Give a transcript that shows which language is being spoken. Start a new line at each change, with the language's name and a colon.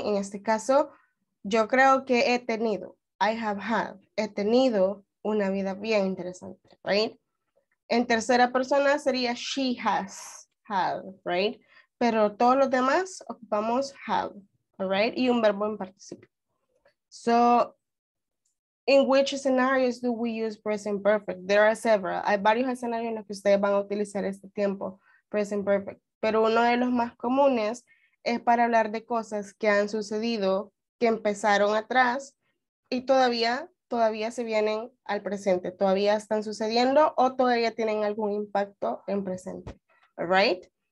Spanish: En este caso, yo creo que he tenido,
English: I have had,
Spanish: he tenido una vida bien interesante, right? En tercera persona sería
English: she has had,
Spanish: right? Pero todos los demás ocupamos have, all right? Y un verbo en participio.
English: So, in which scenarios do we use present perfect? There are several.
Spanish: Hay varios escenarios en los que ustedes van a utilizar este tiempo, present perfect. Pero uno de los más comunes es para hablar de cosas que han sucedido, que empezaron atrás y todavía se vienen al presente, todavía están sucediendo o todavía tienen algún impacto en presente, right?